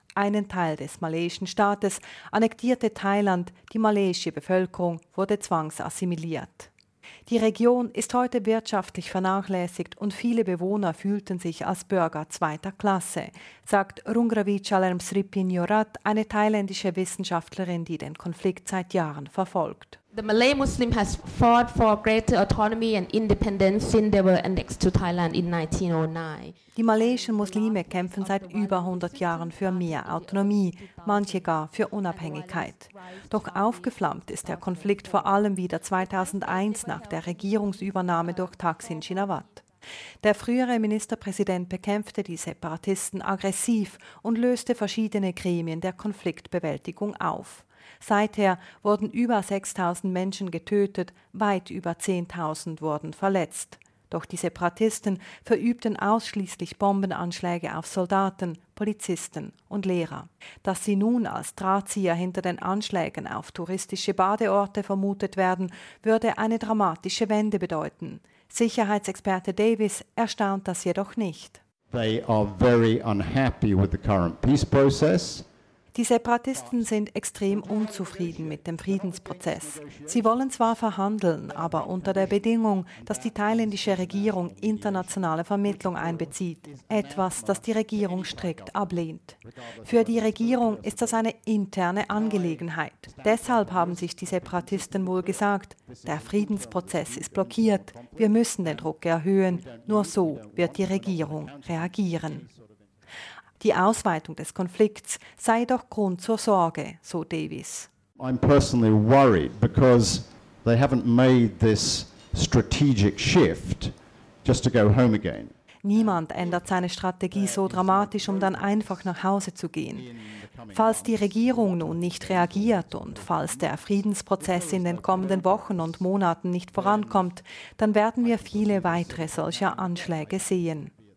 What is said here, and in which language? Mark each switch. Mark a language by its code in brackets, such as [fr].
[de] Einen Teil des malaiischen Staates annektierte Thailand, die malaiische Bevölkerung wurde zwangsassimiliert. Die Region ist heute wirtschaftlich vernachlässigt und viele Bewohner fühlten sich als Bürger zweiter Klasse, sagt Rungravichalam Sripin Yorat, eine thailändische Wissenschaftlerin, die den Konflikt seit Jahren verfolgt. [en] The Malay Muslim has fought for greater autonomy and independence since they were annexed to Thailand in 1909. [de] Die malayischen Muslime kämpfen seit über 100 Jahren für mehr Autonomie, manche gar für Unabhängigkeit. Doch aufgeflammt ist der Konflikt vor allem wieder 2001 nach der Regierungsübernahme durch Thaksin Shinawat. Der frühere Ministerpräsident bekämpfte die Separatisten aggressiv und löste verschiedene Gremien der Konfliktbewältigung auf. Seither wurden über 6.000 Menschen getötet, weit über 10.000 wurden verletzt. Doch die Separatisten verübten ausschließlich Bombenanschläge auf Soldaten, Polizisten und Lehrer. Dass sie nun als Drahtzieher hinter den Anschlägen auf touristische Badeorte vermutet werden, würde eine dramatische Wende bedeuten. Sicherheitsexperte Davis erstaunt das jedoch nicht. [en] They are very unhappy with the current peace process. [de] Die Separatisten sind extrem unzufrieden mit dem Friedensprozess. Sie wollen zwar verhandeln, aber unter der Bedingung, dass die thailändische Regierung internationale Vermittlung einbezieht. Etwas, das die Regierung strikt ablehnt. Für die Regierung ist das eine interne Angelegenheit. Deshalb haben sich die Separatisten wohl gesagt, der Friedensprozess ist blockiert, wir müssen den Druck erhöhen, nur so wird die Regierung reagieren. Die Ausweitung des Konflikts sei doch Grund zur Sorge, so Davis. [en] I'm personally worried because they haven't made this strategic shift just to go home again. [de] Niemand ändert seine Strategie so dramatisch, um dann einfach nach Hause zu gehen. Falls die Regierung nun nicht reagiert und falls der Friedensprozess in den kommenden Wochen und Monaten nicht vorankommt, dann werden wir viele weitere solcher Anschläge sehen.